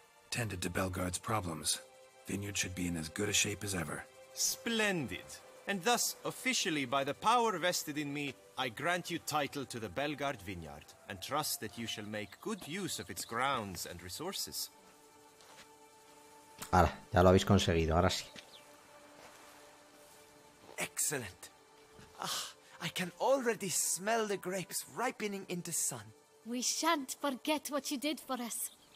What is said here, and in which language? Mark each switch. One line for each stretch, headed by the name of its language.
English: Tended to Belgard's problems. Vineyard should be in as good a shape as ever. Splendid. And thus, officially, by the power vested in me, I grant you title to the Belgard Vineyard, and trust that you shall make good use of its grounds and resources.
Spanish: Ahora, ya lo habéis conseguido, ahora sí.
English: Excellent. Ah, I can already smell the grapes ripening in the sun. We shan't forget what you did for us.